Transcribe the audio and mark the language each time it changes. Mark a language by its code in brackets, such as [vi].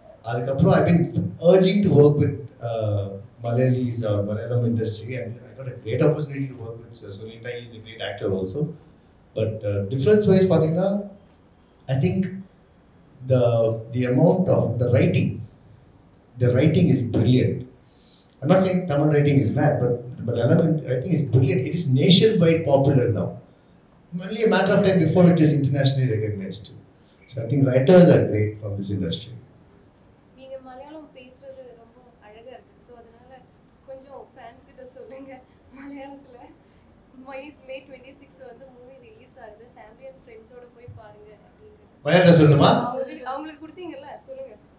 [en] அதுக்கப்புறம் I mean urging to work with Malayalis or Malayalam industry. And I got a great opportunity to work with Sunitha, is a great actor also. But difference wise [ta] பார்த்தீங்கன்னா, [en] I think the amount of the writing, the writing is brilliant. I'm not saying Tamil writing is bad, but Malayalam writing is brilliant. It is nationwide popular now, only a matter of time before it is internationally recognized. So I think writers are great from this industry. [ta] நீங்க மலையாளம் பேசுறது ரொம்ப அழகா இருக்கு, so அதனால கொஞ்சம் fans கிட்ட சொல்லுங்க, மலையாளத்துல மே 26 வந்து மூவி ரிலீஸ் ஆகுது, ஃபேமிலி அண்ட் ஃப்ரெண்ட்ஸோட போய் பாருங்க அப்படிங்க. மலையாளம் சொல்லுமா? அவங்களுக்கு கொடுத்தீங்கல்ல, சொல்லுங்க.